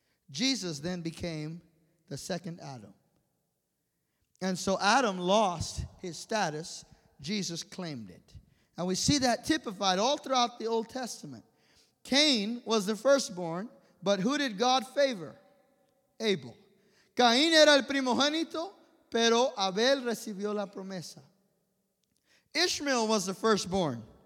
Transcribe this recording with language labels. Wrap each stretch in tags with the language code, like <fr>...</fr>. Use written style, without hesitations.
<en>Jesus then became the second Adam. And so Adam lost his status. Jesus claimed it. And we see that typified all throughout the Old Testament. Cain was the firstborn, but who did God favor? Abel.</en> <es>Caín era el primogénito, pero Abel recibió la promesa.</es> <en>Ishmael was the firstborn.</en>